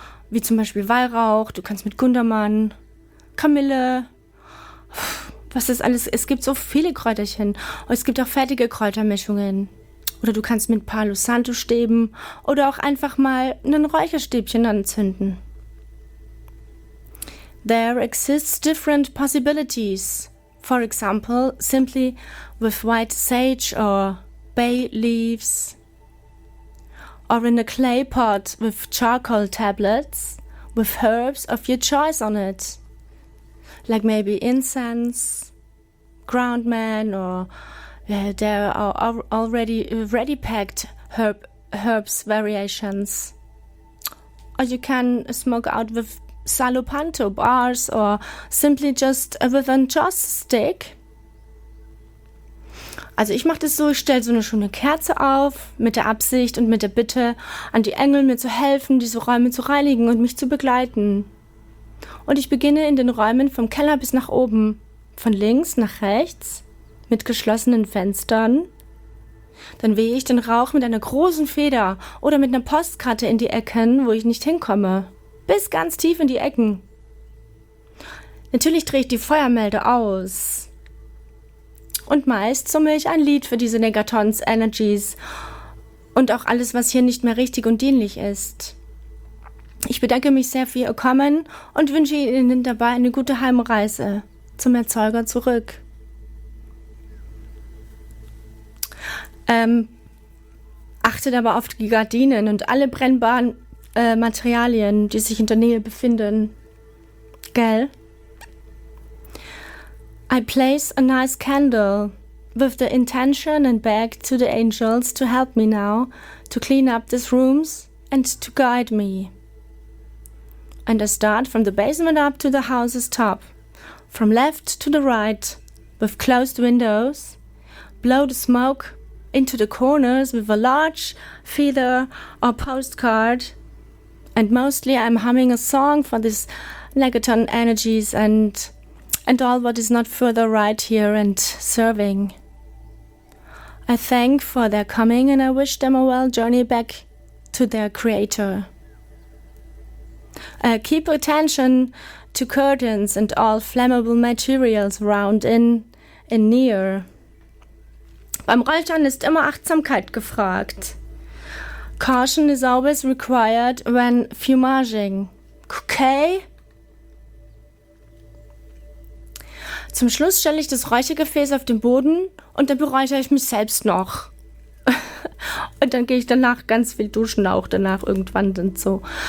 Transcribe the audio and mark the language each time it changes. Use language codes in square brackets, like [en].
[de] Wie zum Beispiel Weihrauch, du kannst mit Gundermann, Kamille, was ist alles, es gibt so viele Kräuterchen. Und es gibt auch fertige Kräutermischungen. Oder du kannst mit Palo Santo Stäben oder auch einfach mal ein Räucherstäbchen anzünden. [en] There exists different possibilities. For example, simply with white sage or bay leaves, or in a clay pot with charcoal tablets with herbs of your choice on it, like maybe incense, ground man, or there are already ready packed herbs variations. Or you can smoke out with Salopanto bars or simply just with a joss stick. [de] Also ich mache das so, ich stelle so eine schöne Kerze auf, mit der Absicht und mit der Bitte an die Engel, mir zu helfen, diese Räume zu reinigen und mich zu begleiten. Und ich beginne in den Räumen vom Keller bis nach oben, von links nach rechts, mit geschlossenen Fenstern. Dann wehe ich den Rauch mit einer großen Feder oder mit einer Postkarte in die Ecken, wo ich nicht hinkomme, bis ganz tief in die Ecken. Natürlich drehe ich die Feuermelde aus. Und meist summe ich ein Lied für diese Negatons, Energies und auch alles, was hier nicht mehr richtig und dienlich ist. Ich bedanke mich sehr für Ihr Kommen und wünsche Ihnen dabei eine gute Heimreise zum Erzeuger zurück. Achtet aber auf die Gardinen und alle brennbaren Materialien, die sich in der Nähe befinden. Gell? [en] I place a nice candle with the intention and beg to the angels to help me now to clean up these rooms and to guide me. And I start from the basement up to the house's top, from left to the right, with closed windows, blow the smoke into the corners with a large feather or postcard, and mostly I'm humming a song for these negaton energies and all what is not further right here and serving. I thank for their coming and I wish them a well journey back to their creator. Keep attention to curtains and all flammable materials around in near. [de] Beim Räuchern ist immer Achtsamkeit gefragt. [en] Caution is always required when fumaging. Okay? [de] Zum Schluss stelle ich das Räuchergefäß auf den Boden und dann beräuchere ich mich selbst noch. Und dann gehe ich danach ganz viel duschen auch danach irgendwann und so.